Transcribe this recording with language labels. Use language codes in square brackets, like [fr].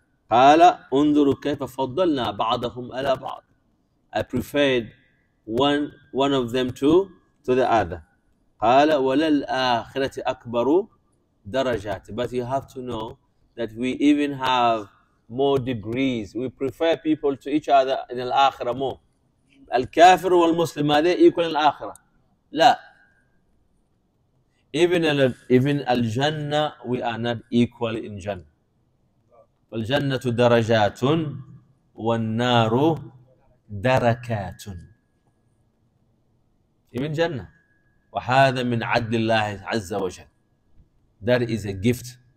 [ar] قال انظروا كيف فضلنا بعضهم على بعض. [en] I preferred one of them to the other. [ar] قال وللآخرة أكبر درجات. [en] But you have to know that we even have more degrees. We prefer people to each other in الآخرة more. [ar] الكافر والمسلم هذا [en] equal in [ar] الآخرة. لا. [en] Even al-Jannah, we are not equal in Jannah. [ar] Al-Jannah darajatun, wal-Naru darakatun. [en] Even Jannah. [ar] وَهَذَا مِنْ عَدِّ اللَّهِ عَزَّ وَجَلَّ. [en] That is a gift.